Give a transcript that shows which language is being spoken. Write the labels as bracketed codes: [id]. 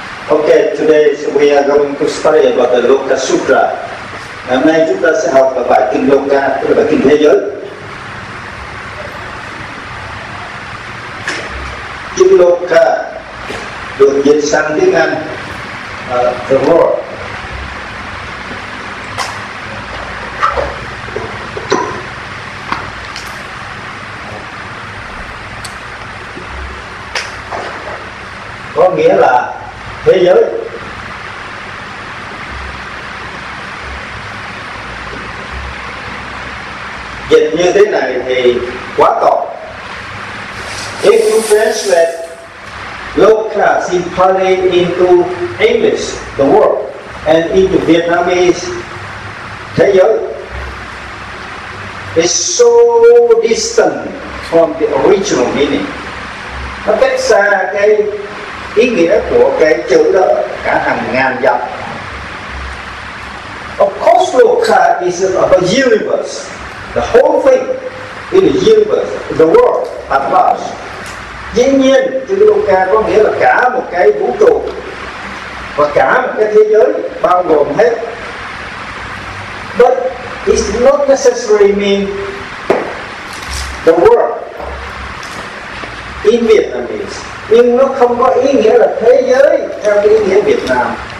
[en] Okay, today we are going to study about the Loka Sutra. [vi] Hôm nay chúng ta sẽ học bài kinh Loka, tức là bài kinh thế giới. Kinh Loka được dịch sang tiếng Anh, the world. Có nghĩa là thế giới. Dịch như thế này thì quá tốt. [en] If you translate Loka simply into English, the world, and into Vietnamese, thế giới, is so distant from the original meaning. [vi] Nó cách xa cái ý nghĩa của cái chữ đó cả hàng ngàn dặm. [en] Of course, Loka is a universe, the whole thing in the universe, the world at large. [vi] Dĩ nhiên, chữ Loka có nghĩa là cả một cái vũ trụ và cả một cái thế giới bao gồm hết. [en] But it's not necessarily mean the world in Vietnamese. [vi] Nhưng nó không có ý nghĩa là thế giới theo cái ý nghĩa Việt Nam.